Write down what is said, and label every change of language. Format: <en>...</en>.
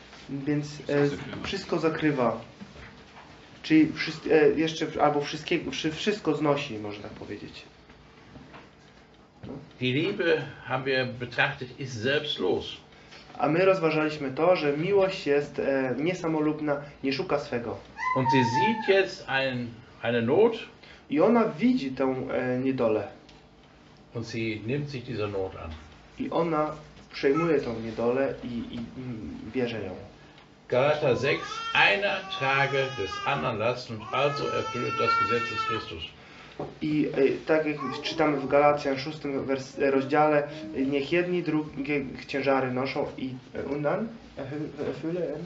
<pl>Więc wszystko zakrywa, czyli jeszcze albo wszystko znosi, można tak powiedzieć.</pl> <de>Die Liebe haben wir betrachtet ist selbstlos.</de> <pl>A my rozważaliśmy to, że miłość jest niesamolubna, nie szuka swego.</pl> <de>Und sie sieht jetzt eine Not.</de> <pl>I ona widzi tę niedolę.</pl> <de>Und sie nimmt sich dieser Not an.</de> <pl>I ona przejmuje tą niedolę i bierze ją.</pl> <de>Galata 6. Einer trage des anderen Lasten und also erfüllt das Gesetz des Christus.</de> <pl>I tak jak czytamy w Galacjan 6 rozdziale, niech jedni drugich ciężary noszą i</pl> <de>undan erfülle</de>